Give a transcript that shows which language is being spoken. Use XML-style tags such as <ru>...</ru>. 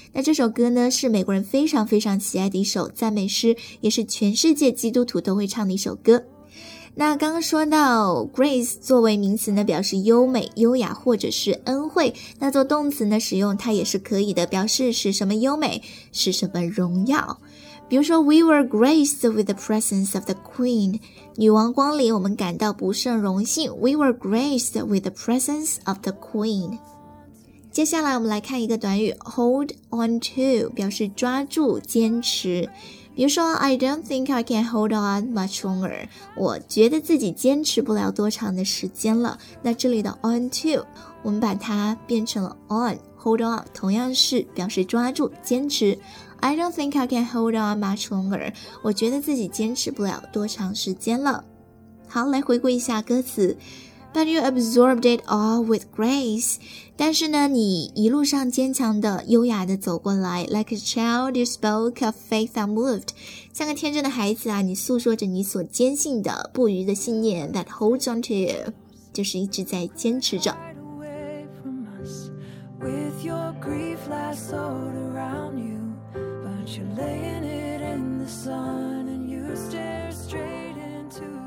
<zh>那这首歌呢是美国人非常非常喜爱的一首赞美诗，也是全世界基督徒都会唱的一首歌。那刚刚说到 grace 作为名词呢表示优美优雅或者是恩惠，那做动词呢使用它也是可以的，表示使什么优美，使什么荣耀。比如说</zh> <en>We were graced with the presence of the queen，</en> <zh>女王光临我们感到不胜荣幸。</zh> <en>We were graced with the presence of the queen。</en> <zh>接下来我们来看一个短语 hold on to， 表示抓住坚持。比如说</zh> <en>I don't think I can hold on much longer，</en> <zh>我觉得自己坚持不了多长的时间了。那这里的 on to 我们把它变成了 on， hold on 同样是表示抓住坚持。</zh> <en>I don't think I can hold on much longer，</en> <zh>我觉得自己坚持不了多长时间了。好，来回顾一下歌词。</zh> <en>But you absorbed it all with grace，</en> <zh>但是呢你一路上坚强的优雅的走过来。</zh> <en>Like a child you spoke of faith unmoved，</en> <zh>像个天真的孩子啊，你诉说着你所坚信的不渝的信念。</zh> <en>That holds on to you，</en> <zh>就是一直在坚持着。</zh> <en>Hide away from us with your grief lassoed around you， but you're laying it in the sun and you stare straight into。</en>